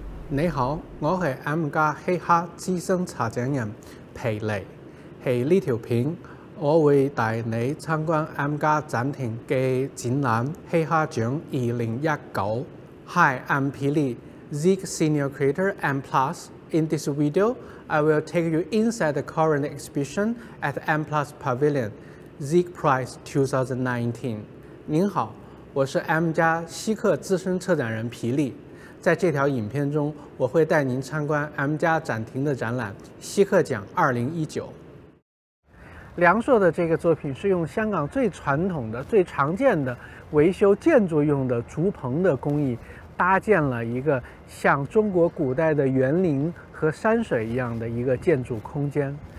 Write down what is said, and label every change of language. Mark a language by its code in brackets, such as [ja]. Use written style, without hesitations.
[zh] 你好，我是 M 家黑客资深策展人皮利。在这条片，我会带你参观 M 家展厅的展览《黑客展2019》。 [en] Hi, I'm 皮利 ，Sigg Senior Creator M Plus。 In this video, I will take you inside the current exhibition at M Plus Pavilion, Sigg Prize 2019. [zh] 您好，我是 M 家稀客资深策展人皮利。在这条影片中，我会带您参观 M 家展厅的展览《稀客奖2019》。梁硕的这个作品是用香港最传统的、最常见的维修建筑用的竹棚的工艺，搭建了一个像中国古代的园林和山水一样的一个建筑空间。